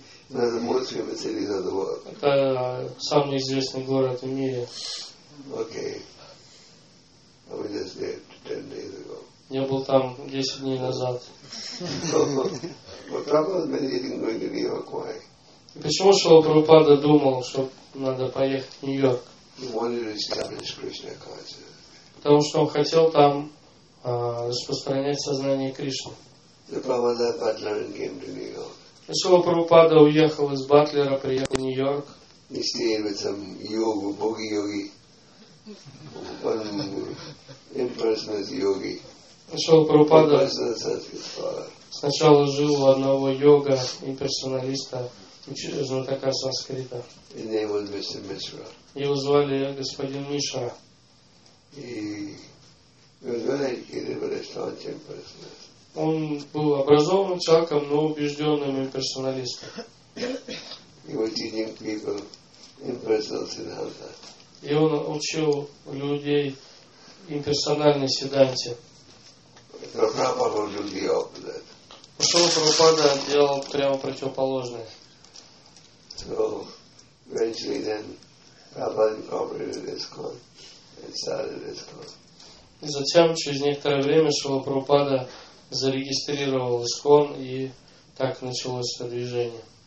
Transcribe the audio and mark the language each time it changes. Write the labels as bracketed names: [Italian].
[English] One of the most famous cities of the world. [Russian] Это самый известный город в мире. [English] Okay. I was just there 10 days ago. [Russian] Я был там 10 дней назад. [English] But Prabhupada was meditating going to New York. Why? [Russian] Почему Шрила Прабхупада думал, что надо поехать в Нью-Йорк? [English] He wanted to establish Krishna consciousness. [Russian] Потому что он хотел там распространять сознание Кришны. [English] The Prabhupada left Butler and came to New York. [Russian] Шрила Прабхупада уехал из Батлера, приехал в Нью-Йорк. [English] He stayed with some yoga, bogi yogi. One impersonal yogi. [Russian] Шрила Прабхупада сначала жил у одного йога, имперсоналиста, знатока санскрита. [English] His name was Mr. Mishra. [Russian] Его звали господин Мишра. [English] He was very educated, but a staunch impersonalist. [Russian] Он был образованным человеком, но убежденным имперсоналистом. [English] He was teaching people impersonal siddhanta. [Russian] И он учил людей имперсональной сиддханте. Прабхупада делал противоположное. Шрила Прабхупада делал прямо противоположное. [English] So eventually then Prabhupada incorporated this code and started this code. [Russian] И затем, через некоторое время, Шрила Прабхупада зарегистрировал ИСКОН, и так началось это движение.